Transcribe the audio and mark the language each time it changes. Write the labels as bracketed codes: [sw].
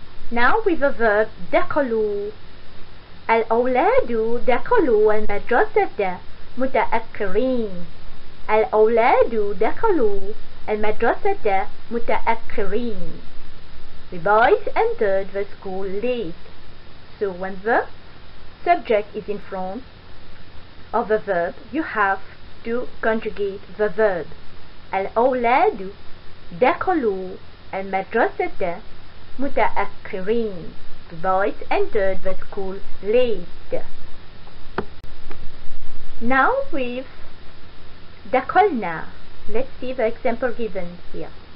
[en] Now with the verb دخلوا. [ar] الأولاد دخلوا المدرسة متأخرين. الأولاد دخلوا المدرسة متأخرين. [en] The boys entered the school late. So when the subject is in front of the verb, you have to conjugate the verb. [ar] الأولاد دخلوا المدرسة متأخرين. [en] The boys entered the school late. Now with دخلنا. Let's see the example given here.